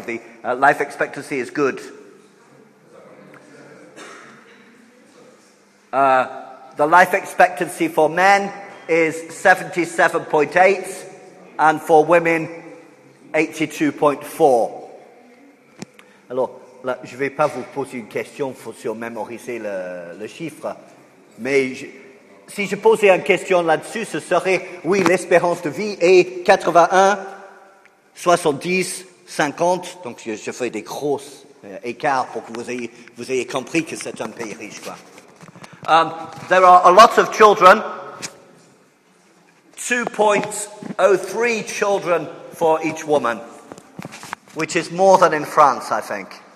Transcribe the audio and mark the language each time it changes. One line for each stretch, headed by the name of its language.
English: The life expectancy is good. The life expectancy for men is 77.8, and for women, 82.4. Hello.
French: Là, je ne vais pas vous poser une question sur mémoriser le chiffre, mais si je posais une question là-dessus, ce serait, oui, l'espérance de vie est 81, 70, 50, donc je fais des gros écarts pour que vous ayez compris que c'est un pays riche, quoi.
English: There are a lot of children, 2.03 children for each woman, which is more than in France, I think.